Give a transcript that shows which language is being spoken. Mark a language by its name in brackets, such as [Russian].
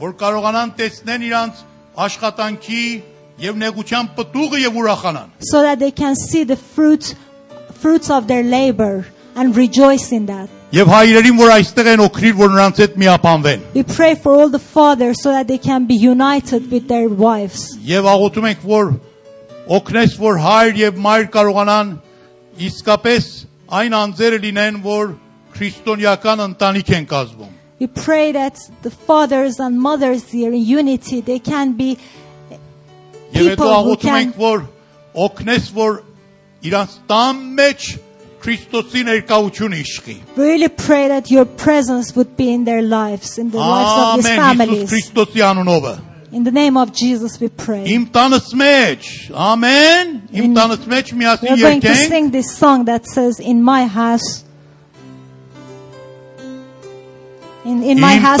[Armenian] Որ կարողանան տեսնեն իրանց աշխատանքի եւ նեղության պտուղը եւ ուրախանան. [English] So that they can see the fruits of their labor and rejoice in that. [Armenian] Եվ հայրերին, որ այստեղ են օգրիր, որ նրանց հետ միապանվեն. [English] We pray for all the fathers so that they can be united with their wives. [Armenian] Եվ աղոթում ենք, որ օգնես, որ հայր եւ մայր կարողանան իսկապես այն անձերը լինեն, որ քրիստոնեական ընտանիք են կազմում. [English] We pray that the fathers and mothers here in unity, they can be people who can [Armenian] օգնես, որ իրանց տան մեջ Քրիստոսի ներկայություն իշխի. [English] We really pray that your presence would be in their lives, in the lives of these families. [Armenian] Ամեն, Քրիստոսի անունով. [English] In the name of Jesus we pray. [Armenian] Իմ տանս մեջ, ամեն, իմ տանս մեջ միասին երգենք. [English] We're going to sing this song that says in my house In my house